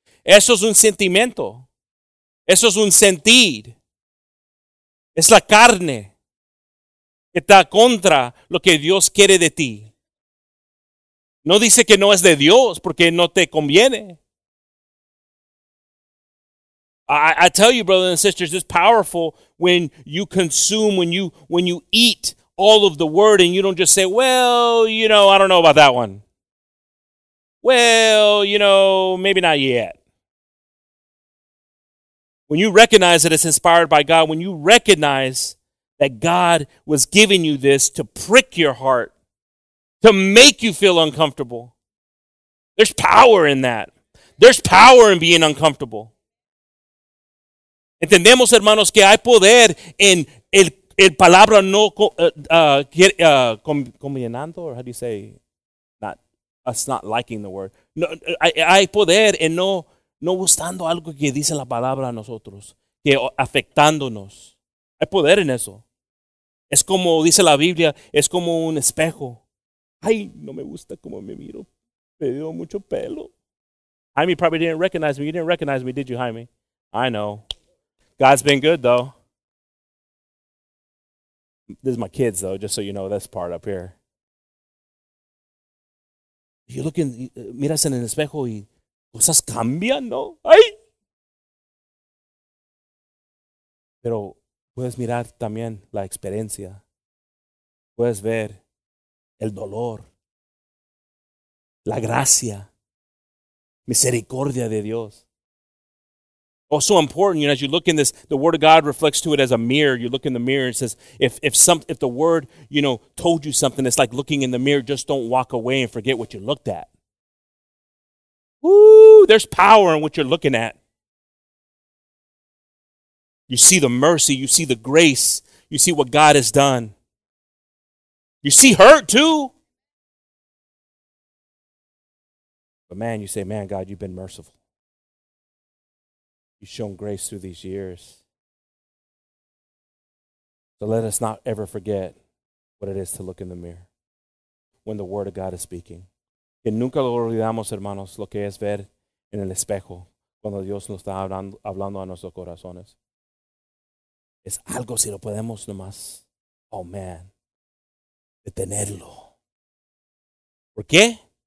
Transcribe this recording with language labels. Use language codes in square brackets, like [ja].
[es] Eso es un sentimiento. Eso es un sentir. Es la carne que está contra lo que Dios quiere de ti. No dice que no es de Dios porque no te conviene. [en] I tell you, brothers and sisters, it's powerful when you consume, when you eat all of the word, and you don't just say, well, you know, I don't know about that one. Well, you know, maybe not yet. When you recognize that it's inspired by God, when you recognize that God was giving you this to prick your heart, to make you feel uncomfortable, there's power in that. There's power in being uncomfortable. [es] Entendemos, hermanos, que hay poder en el palabra no combinando, [en] or how do you say, not us not liking the word. [es] No, hay poder en no gustando algo que dice la palabra a nosotros, que afectándonos. Hay poder en eso. Es como dice la Biblia, es como un espejo. Ay, no me gusta cómo me miro. Me dio mucho pelo. [en] Jaime probably didn't recognize me. You didn't recognize me, did you, Jaime? I know. God's been good, though. This is my kids, though, just so you know this part up here. You look in, [es] miras en el espejo y cosas cambian, ¿no? Ay! Pero puedes mirar también la experiencia. Puedes ver el dolor, la gracia, misericordia de Dios. [en] Oh, so important, you know, as you look in this, the word of God reflects to it as a mirror. You look in the mirror and it says, if the word, you know, told you something, it's like looking in the mirror, just don't walk away and forget what you looked at. Woo, there's power in what you're looking at. You see the mercy, you see the grace, you see what God has done. You see hurt too. But man, you say, man, God, you've been merciful. You've shown grace through these years. So let us not ever forget what it is to look in the mirror when the word of God is speaking. [es] Que nunca lo olvidamos, hermanos, lo que es ver en el espejo cuando Dios nos está hablando a nuestros corazones. Es algo si lo podemos nomás. [en] Oh, man. [es] Detenerlo. ¿Por qué?